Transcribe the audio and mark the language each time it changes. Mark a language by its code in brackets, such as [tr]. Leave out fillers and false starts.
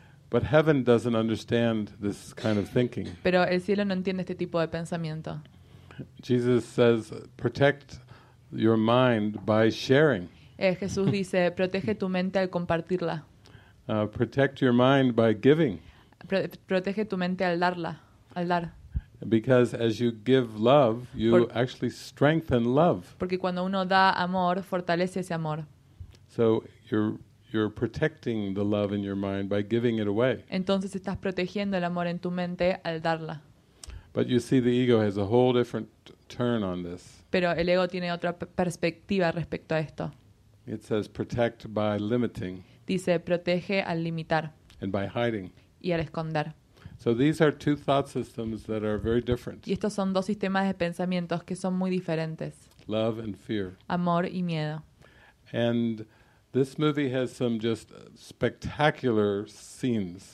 [en] But heaven doesn't understand this kind of thinking. [es] Pero el cielo no entiende este tipo de pensamiento. [en] Jesus says, protect your mind by sharing. [es] Jesús dice, protege tu mente al compartirla. [en] Protect your mind by giving. [es] Protege tu mente al darla, al dar. [en] Because as you give love, you actually strengthen love. [es] Porque cuando uno da amor, fortalece ese amor. [en] So you're protecting the love in your mind by giving it away. [es] Entonces estás protegiendo el amor en tu mente al darla. [en] But you see, the ego has a whole different turn on this. [es] Pero el ego tiene otra perspectiva respecto a esto. [en] It says protect by limiting. [es] Dice protege al limitar. [en] And by hiding. [es] Y al esconder. [en] So these are two thought systems that are very different. [es] Y estos son dos sistemas de pensamientos que son muy diferentes. [en] Love and fear. [es] Amor y miedo. [en] And this movie has some just spectacular scenes.